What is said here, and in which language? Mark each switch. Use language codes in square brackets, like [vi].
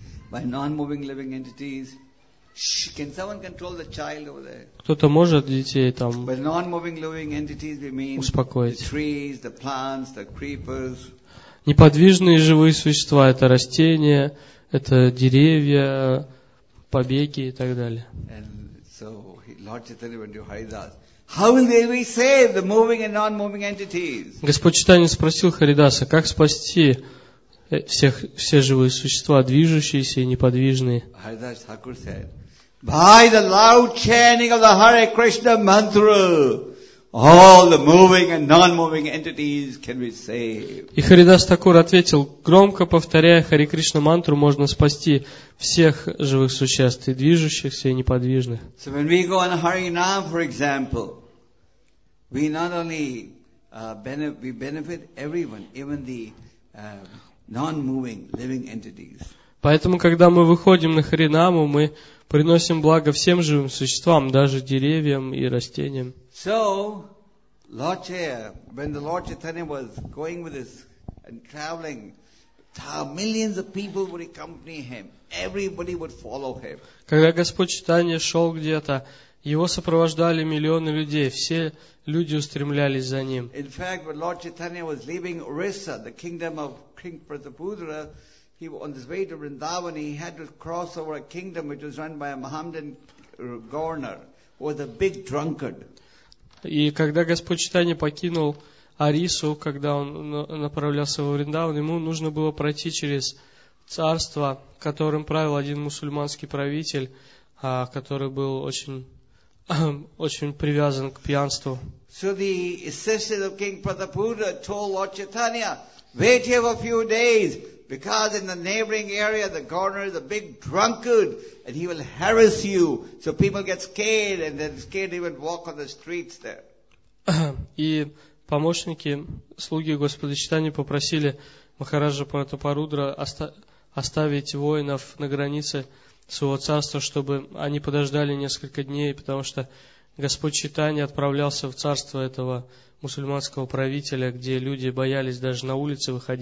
[en] By non-moving living entities. Can someone control the child over there? [ru] Кто-то может детей там? [en] By non-moving living entities we mean [ru] успокоить. [en] The trees, the plants, the creepers. [ru] Неподвижные живые существа – это растения, это деревья, побеги и так далее. [en] And so Lord Chaitanya went to Haridas. How will they be saved, the moving and non-moving entities? [ru] Господь Чайтанья спросил Харидаса, как спасти все живые существа, движущиеся и неподвижные. [en] Харидас Такур said, by the loud chanting of the Hare Krishna mantra, all the moving and non-moving entities can be saved. [ru] И Харидас Такур ответил, громко повторяя Хари Кришна мантру, можно спасти всех живых существ, и движущихся, и неподвижных. [en] So when we go on Harinam, for example, we not only benefit everyone, even the non-moving living entities. [ru] Поэтому, когда мы выходим на Харинаму, мы приносим благо всем живым существам, даже деревьям и растениям. [en] So, Lord Chaitanya, when the Lord Chaitanya was going with us and traveling, millions of people would accompany him. Everybody would follow him. [ru] Когда Господь Чайтанья шел где-то, Его сопровождали миллионы людей. Все люди устремлялись за Ним. [en] In fact, when Lord Chaitanya was leaving Orissa, the kingdom of King Pratapudra, he was on his way to Vrindavan, he had to cross over a kingdom which was run by a Mohammedan governor, who was a big drunkard. [ru] И когда Господь Чайтанья покинул Орису, когда он направлялся во Вриндаван, ему нужно было пройти через царство, которым правил один мусульманский правитель, который был очень привязан к пьянству. [en] So the assistant of King Pratapudra told Lord Chaitanya, wait here for a few days, because in the neighboring area the governor is a big drunkard and he will harass you. So people get scared and then scared even walk on the streets there. [ru] И помощники, слуги Господа Чайтаньи попросили Махараджа Пратапарудра оставить воинов на границе своего царства, чтобы они подождали несколько дней, потому что Господь Чайтанья отправлялся в царство этого мусульманского правителя, где люди боялись даже на улице